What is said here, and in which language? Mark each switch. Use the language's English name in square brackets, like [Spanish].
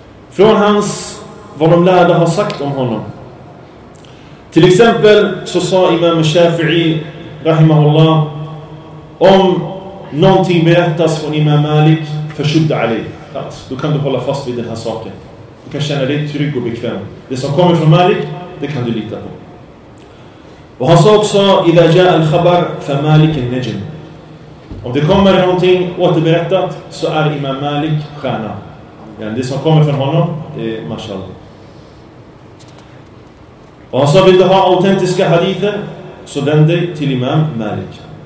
[Swedish] Från hans, vad de lärde har sagt om honom. Till exempel så sa Imam Shafi'i, rahimahullah, om någonting berättas från Imam Malik, förskydda Ali. Då kan du hålla fast vid den här saken. Du kan känna dig trygg och bekväm. Det som kommer från Malik, det kan du lita på. Och han sa också, [Arabic] إِذَا جَاءَ الْخَبَرُ فَمَالِكِ النَّجْمُ. [Swedish] Om det kommer någonting återberättat, så är Imam Malik stjärna. Det som kommer från honom, det är mashallah. Och han sa, vill du ha autentiska hadither, så vänd dig till Imam Malik.